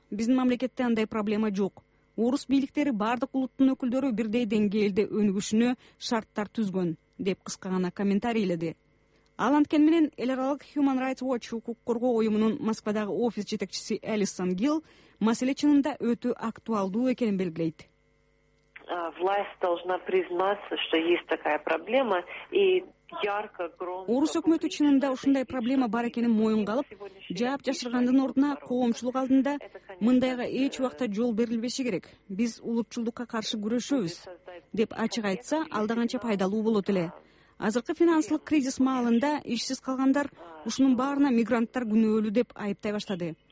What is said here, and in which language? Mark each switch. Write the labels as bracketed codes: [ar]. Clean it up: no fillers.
[ky] Биздин мамлекетте андай проблема жок. Орус бийликтери бардык улуттун өкүлдөрү бирдей деңгээлде өнүгүшүнө шарттар түзгөн, деп кыска гана комментарийледи. Ал анткени менен эл аралык Human Rights Watch укук коргоо уюмунун Москвадагы офис жетекчиси Элисон Гилл маселе чынында өтө актуалдуу экенин белгилейт. [ru] власть должна признаться, что есть такая проблема и ярко, громко. [ky] Орус өкмөт үчүн да ушундай проблема бар экенин моюнга алып, жаап жашыргандын ордуна коомчулук алдында мындайга эч убакта жол берилбеши керек. Биз улутчулдукка каршы күрөшөбүз деп ачык айтса, алданганча пайдалуу болот эле. Азыркы финансылык кризис маалында ишсиз калгандар ушунун баарына мигранттар күнөөлүү деп айыптай баштады.